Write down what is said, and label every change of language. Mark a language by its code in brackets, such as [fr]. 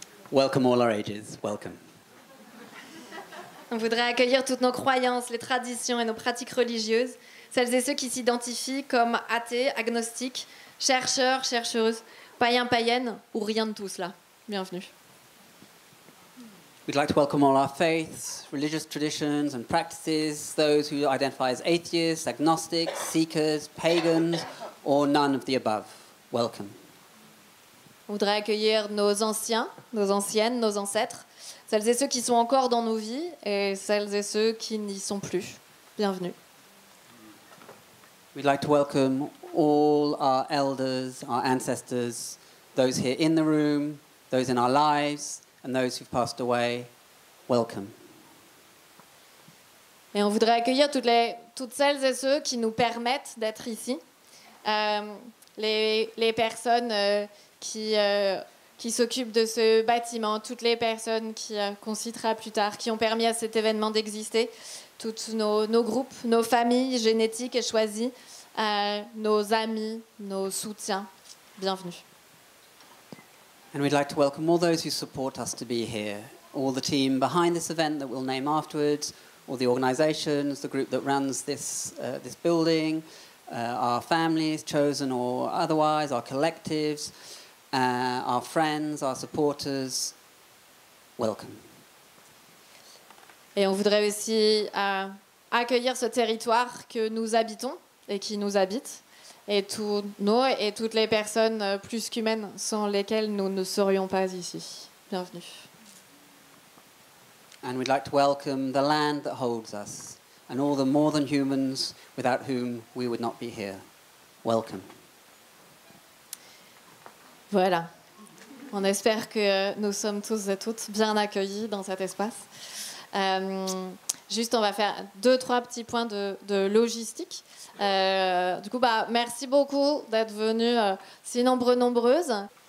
[en] Welcome all our ages. Welcome. [fr] On voudrait accueillir toutes nos croyances, les traditions et nos pratiques religieuses, celles et ceux qui s'identifient comme athées, agnostiques, chercheurs, chercheuses, païens, païennes ou rien de tout cela. Bienvenue. [en] We'd like to welcome all our faiths, religious traditions and practices, those who identify as atheists, agnostics, seekers, pagans or none of the above. Welcome. [fr] On voudrait accueillir nos anciens, nos anciennes, nos ancêtres, celles et ceux qui sont encore dans nos vies et celles et ceux qui n'y sont plus. Bienvenue. [en] We'd like to welcome all our elders, our ancestors, those here in the room, those in our lives, and those who've passed away. Welcome. [fr] Et on voudrait accueillir toutes celles et ceux qui nous permettent d'être ici, les personnes qui s'occupent de ce bâtiment, toutes les personnes qu'on citera plus tard, qui ont permis à cet événement d'exister, toutes nos groupes, nos familles génétiques et choisies, nos amis, nos soutiens. Bienvenue. [en] And we'd like to welcome all those who support us to be here, all the team behind this event that we'll name afterwards, all the organizations, the group that runs this building, our families, chosen or otherwise, our collectives, our friends, our supporters. Welcome. [fr] Et on voudrait aussi accueillir ce territoire que nous habitons et qui nous habite. Et tous nous et toutes les personnes plus qu'humaines sans lesquelles nous ne serions pas ici. Bienvenue. [en] And we'd like to welcome the land that holds us and all the more than humans without whom we would not be here. Welcome. [fr] Voilà. On espère que nous sommes tous et toutes bien accueillis dans cet espace. Juste, on va faire deux, trois petits points de logistique. Merci beaucoup d'être venus si nombreux, nombreuses.